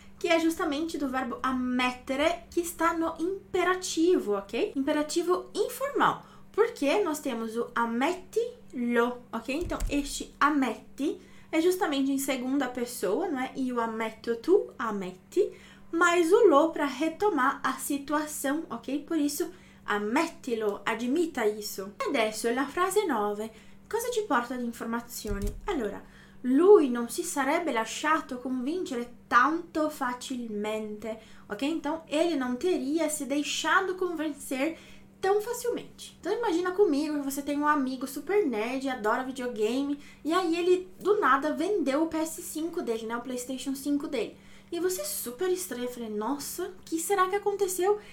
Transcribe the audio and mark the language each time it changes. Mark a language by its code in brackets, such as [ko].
[pt] Que é justamente do verbo ammettere, que está no imperativo, ok? Imperativo informal. Porque nós temos o ammettilo, ok? Então, este ammetti é justamente em segunda pessoa, não é? E o ammetto tu, ammetti, mais o lo para retomar a situação, ok? Por isso, ammettilo, admita isso. [it] Adesso, la frase 9. Cosa ci porta di informazioni? Allora, lui non si sarebbe lasciato convincere tanto facilmente, ok? [pt] Então, ele não teria se deixado convencer tão facilmente. Então imagina comigo, você tem um amigo super nerd, adora videogame, e aí ele do nada vendeu o PS5 dele, né, o PlayStation 5 dele. E você super estranha, falei, nossa, que será que aconteceu?